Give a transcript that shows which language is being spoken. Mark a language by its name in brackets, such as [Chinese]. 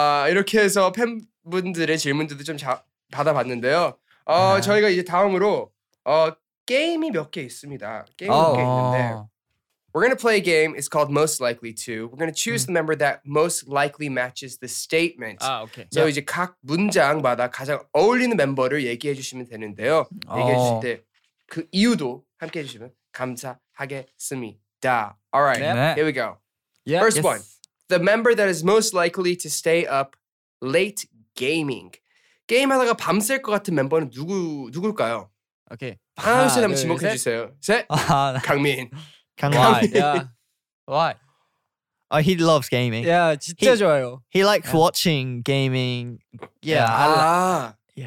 [Korean] 이렇게 해서 팬분들의 질문들도 좀 받아봤는데요. 저희가 이제 다음으로 게임이 몇 개 있습니다. 게임이 몇 개 있는데 [English] We're going to play a game. It's called Most Likely To. We're going to choose the member that most likely matches the statement. Okay. So yeah. [Korean] 이제 각 문장마다 가장 어울리는 멤버를 얘기해 주시면 되는데요. 얘기해 주실 때 그 이유도 함께해 주시면 감사하겠습니다. [English] All right. Yeah. Here we go. Yeah, first one. The member that is most likely to stay up late gaming. [Korean] 게임하다가 밤샐 것 같은 멤버는 누굴까요? [English] Okay. [Korean] 하나 둘 셋 지목해 주세요. 셋. 강민. [English] Why? Yeah. Why? He loves gaming. [Korean] Yeah, 진짜 좋아요. [English] He likes watching gaming. Yeah. 아, like.